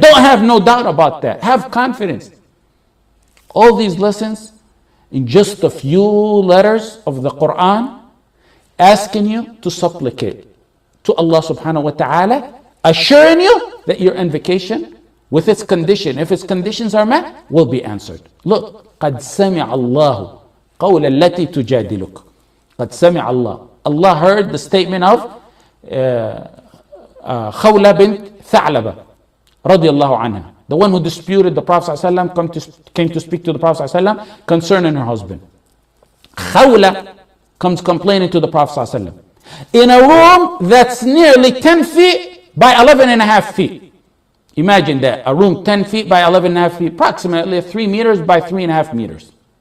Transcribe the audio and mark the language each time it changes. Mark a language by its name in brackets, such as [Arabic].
[English] Don't have no doubt about that. Have confidence. All these lessons in just a few letters of the Quran asking you to supplicate to Allah subhanahu wa ta'ala, assuring you that your invocation with its condition, if its conditions are met, will be answered. Look, [Arabic] قَدْ سَمِعَ اللَّهُ قَوْلَ الَّتِي تُجَادِلُكَ. قَدْ سَمِعَ اللَّهُ. [English] Allah heard the statement of خَوْلَ بِنْ ثَعْلَبَ [Arabic] رضي الله عنها. [English] The one who disputed the Prophet came to speak to the Prophet concerning her husband. خَوْلَ comes complaining to the Prophet in a room that's nearly 10 feet by 11 and a half feet. Imagine that, a room 10 feet by 11 and a half feet, approximately 3 meters by 3 and a half meters.